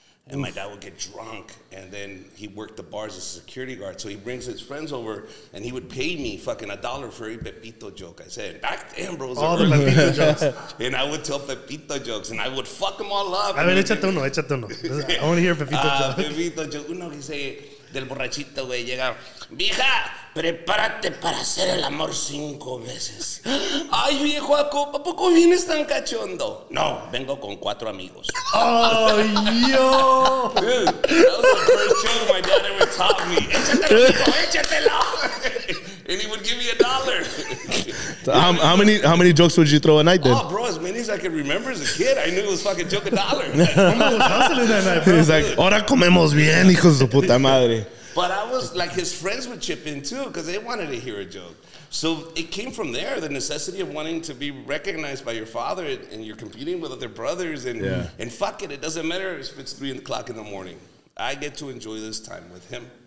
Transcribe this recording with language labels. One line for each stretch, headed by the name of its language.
English: And my dad would get drunk, and then he worked the bars as a security guard. So he brings his friends over, and he would pay me fucking a dollar for a Pepito joke. I said, back then, bro, all the Pepito jokes. And I would tell Pepito jokes, and I would fuck them all up. I mean,
Spanish: échate uno.
English: I want to hear Pepito joke. Pepito joke.
Spanish: Uno que dice, del borrachito, güey, llega, vieja, prepárate para hacer el amor cinco veces. Ay, viejo, ¿a poco vienes tan cachondo? No, vengo con cuatro amigos. Ay, yo.
English: Dude, that was the first joke my dad ever taught me.
Spanish: Échatelo, hijo, échatelo.
English: And he would give me a dollar. So how many jokes would you throw a night then? Oh, bro, as many as I can remember as a kid. I knew it was fucking joke a dollar. I was hustling that night, bro. He's like,
Spanish: ahora comemos bien, hijos de puta madre.
English: But I was, like, his friends would chip in, too, because they wanted to hear a joke. So it came from there, the necessity of wanting to be recognized by your father, and you're competing with other brothers, and fuck it. It doesn't matter if it's 3 o'clock in the morning. I get to enjoy this time with him.